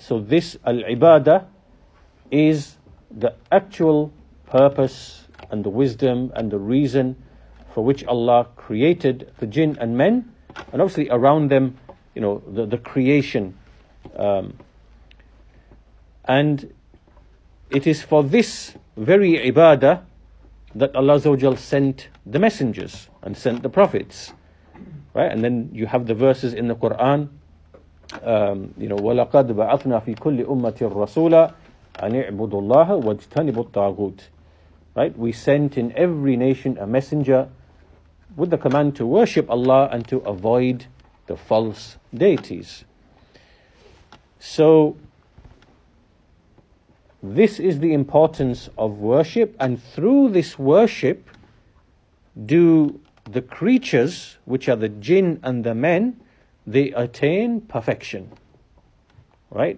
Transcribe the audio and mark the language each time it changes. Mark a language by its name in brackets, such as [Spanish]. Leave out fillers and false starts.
[English] So this al-ibadah is the actual purpose and the wisdom and the reason for which Allah created the jinn and men, and obviously around them, you know, the creation. And it is for this very ibadah that Allah Azawajal sent the messengers and sent the prophets. Right? And then you have the verses in the Quran, [Arabic] وَلَقَدْ بَعَثْنَا فِي كُلِّ أُمَّةٍ رَسُولًا أَنِ اعْبُدُوا اللَّهَ وَاجْتَنِبُوا الطَّاغُوتِ. [English] Right, we sent in every nation a messenger with the command to worship Allah and to avoid the false deities. So This is the importance of worship, and through this worship do the creatures, which are the jinn and the men, they attain perfection. Right?